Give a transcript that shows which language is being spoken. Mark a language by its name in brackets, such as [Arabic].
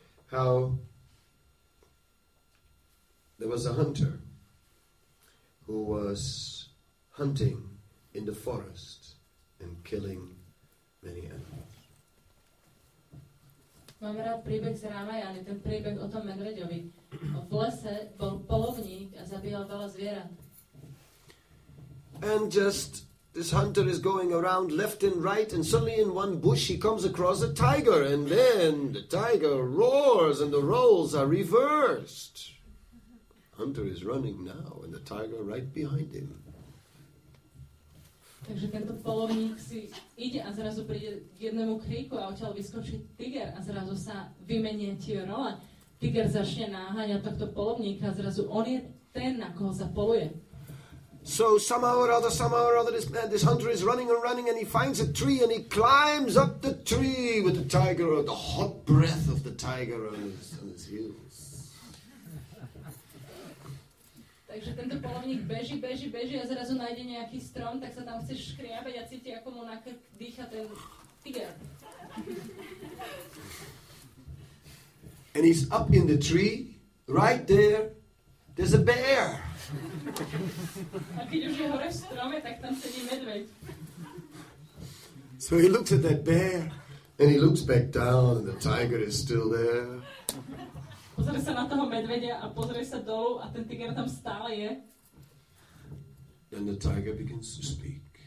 [English] How there was a hunter who was hunting in the forest and killing many animals. [Slovak] Mám rád príbeh z Ramajany, ten príbeh o tom medveďovi. V lese bol polovník a zabíjal veľa zvierat. [English] And just this hunter is going around left and right, and suddenly in one bush he comes across a tiger, and then the tiger roars and the roles are reversed. Hunter is running now, and the tiger right behind him. [Slovak] Takže tento polovník si ide a zrazu príde k jednému kríku a odtiaľ vyskočí tiger a zrazu sa vymenia tie role. Tiger začne naháňať tohto polovníka a zrazu on je ten, na koho sa poluje. [English] So somehow or other, this hunter is running and running, and he finds a tree and he climbs up the tree with the tiger, or the hot breath of the tiger on his heels. [Slovak] Takže tento polovník beží a zrazu nájde nejaký strom, tak sa tam chce škriabať a cíti, ako mu na krk dýcha ten tiger. [English] And he's up in the tree, right there, there's a bear. [Slovak] A keď už je hore v strome, tak tam sedí medveď. [English] So he looks at that bear, and he looks back down, and the tiger is still there. [Slovak] Pozrie sa na toho medvedia a pozrie sa dolu a ten tiger tam stále je. [English] Then the tiger begins to speak.